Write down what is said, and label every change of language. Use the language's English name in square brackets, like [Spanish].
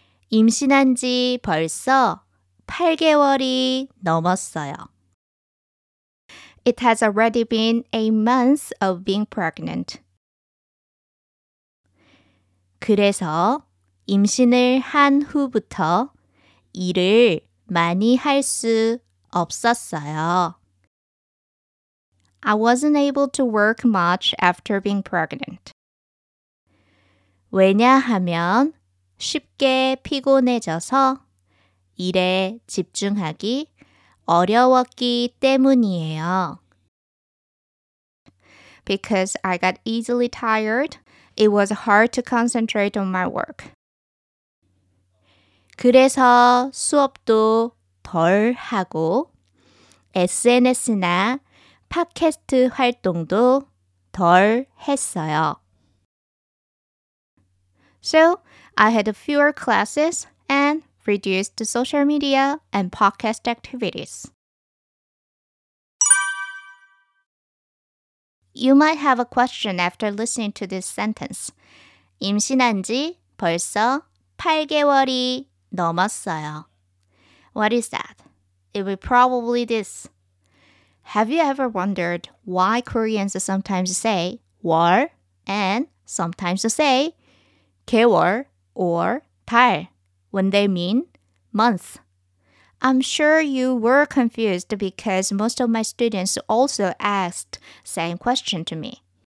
[Korean] 임신한 지 벌써 8개월이 넘었어요. [English] It has already been a month of being pregnant. [Korean] 그래서 임신을 한 후부터 일을 많이 할 수 없었어요. [English] I wasn't able to work much after being pregnant. [Korean] 왜냐하면 쉽게 피곤해져서 일에 집중하기 어려웠기 때문이에요. [English] Because I got easily tired, it was hard to concentrate on my work. [Korean] 그래서 수업도 덜 하고 SNS나 팟캐스트 활동도 덜 했어요. [English] So, I had fewer classes and reduced social media and podcast activities. You might have a question after listening to this sentence. [Korean] 임신한 지 벌써 8개월이 넘었어요. [English] What is that? It will probably this. Have you ever wondered why Koreans sometimes say 월 and sometimes say 개월 or 달 when they mean month? I'm sure you were confused because most of my students also asked same question to me.